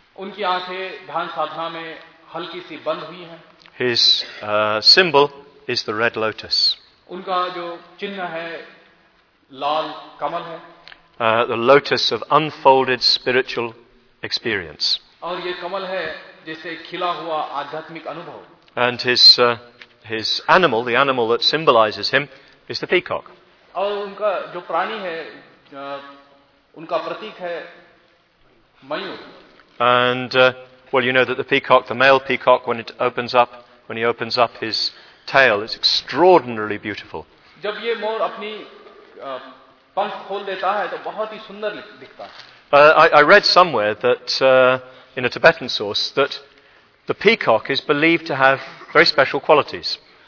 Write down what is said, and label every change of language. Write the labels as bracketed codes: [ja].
[hi] Unki aankhein dhyan sadhana mein halki si band hui hain. [en] His symbol is the red lotus. [hi] Unka jo chinh hai lal kamal hai. [en] The lotus of unfolded spiritual experience. [hi] और ये कमल है जैसे खिला हुआ आध्यात्मिक अनुभव. [en] And his animal, the animal that symbolizes him, is the peacock. [hi] और उनका जो प्राणी है, उनका प्रतीक है मयूर. [en] And well, you know that the peacock, the male peacock, when he opens up his tail, it's extraordinarily beautiful. [hi] जब ये मोर अपनी पंख खोल देता है तो बहुत ही सुंदर दिखता है. [en] I read somewhere that in a Tibetan source that the peacock is believed to have very special qualities.